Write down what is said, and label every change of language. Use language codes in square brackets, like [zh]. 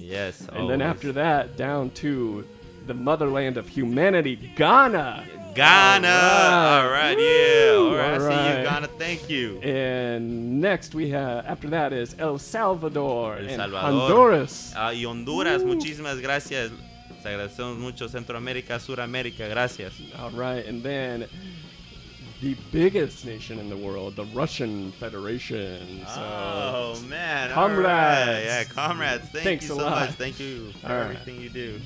[en] Yes. And always. Then after that, down to the motherland of humanity, Ghana. Ghana. All right. All right. Yeah. All right. All right. I see you, Ghana. Thank you. And next we have, after that, is El Salvador. El Salvador. And Honduras. [es] Y Honduras. Woo. Muchísimas gracias. Agradecemos mucho Centroamérica, Suramérica, gracias. [en] All right, and then the biggest nation in the world, the Russian Federation. So, oh, man. Comrades. Right. Yeah, comrades. Thank you so much. Thank you for everything you do.